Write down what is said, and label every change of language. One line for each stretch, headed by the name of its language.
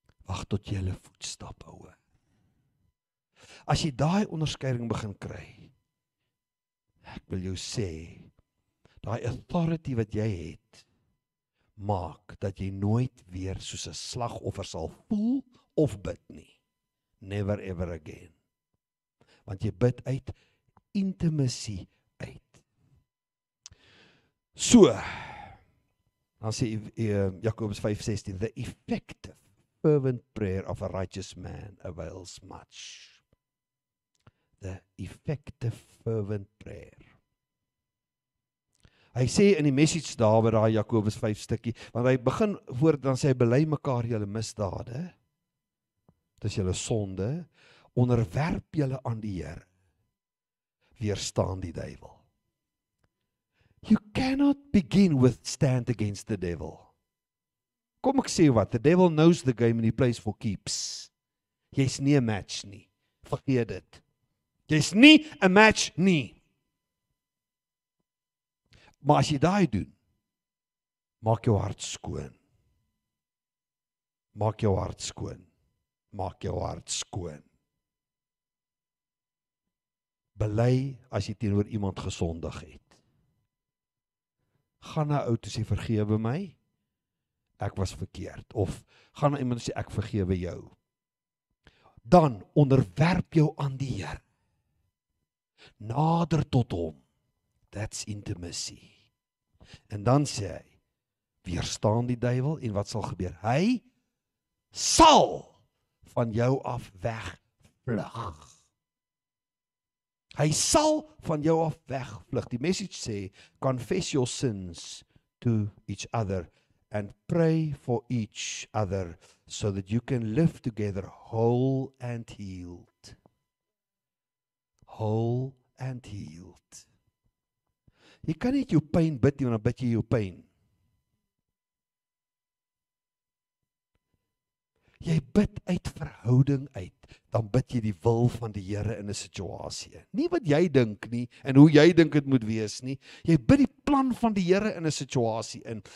Afrikaans: Wag tot jy hulle voetstap hou. As jy daai onderskeiding begin kry, ek wil jou sê, daai authority wat jy het, maak dat jy nooit weer soos 'n slagoffer sal voel of bid nie.
English: Never ever again.
Afrikaans: Want jy bid uit intimacy uit. So, dan sê Jakobus 5:16,
English: the effective fervent prayer of a righteous man avails much. the effective fervent prayer.
Afrikaans: Hy sê in die message daar waar daar Jakobus 5 stukkie, want hy begin voor dan sê, belei mekaar julle misdade, dis julle sonde, onderwerp julle aan die Heer, weerstaan die duivel.
English: You cannot begin with stand against the devil.
Afrikaans: Kom ek sê wat,
English: the devil knows the game and he plays for keeps.
Afrikaans: Jy's nie 'n match nie, vergeet dit. Jy's nie 'n match nie. Maar as jy daai doen, maak jou hart skoon. Maak jou hart skoon. Maak jou hart skoon. Bely as jy teenoor iemand gesondig het. Gaan na ou toe sê vergewe my. Ek was verkeerd. Of gaan na iemand toe sê ek vergewe jou. Dan onderwerp jou aan die Heer. Nader tot hom.
English: That's intimacy.
Afrikaans: En dan sê hy, weerstaan die duivel en wat sal gebeur? Hy sal van jou af wegvlug. Hy sal van jou af wegvlug. Die message sê,
English: confess your sins to each other and pray for each other so that you can live together whole and healed. Whole and healed.
Afrikaans: Jy kan net jou pyn bid, want dan bid jy jou pyn. Jy bid uit verhouding uit, dan bid jy die wil van die Here in 'n situasie. Nie wat jy dink nie, en hoe jy dink het moet wees nie. Jy bid die plan van die Here in 'n situasie in.